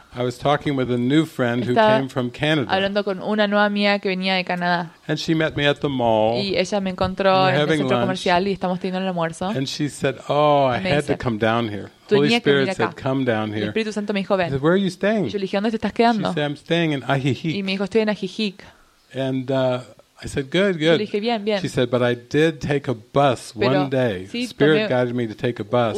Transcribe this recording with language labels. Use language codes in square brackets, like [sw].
[en] I was talking with a new friend who came from Canada. [es] Hablando con una nueva amiga que venía de Canadá. [en] And she met me at the mall. [es] Y ella me encontró en el centro comercial y estamos teniendo el almuerzo. [en] And she said, "Oh, I had to come down here." Holy Spirit said, "Come down here." [es] El Espíritu Santo me dijo, "Ven." [en] I said, "Where are you staying?" [es] Yo le dije, "¿Dónde te estás quedando?" [en] She said, "I'm staying in Ajijic." [es] Y me dijo, "Estoy en Ajijic." [en] And I said, good, good. [es] Dije, bien, bien. [en] She said, but I did take a bus [es] pero, [en] one day. [es] Sí, [en] Spirit guided me to take a bus.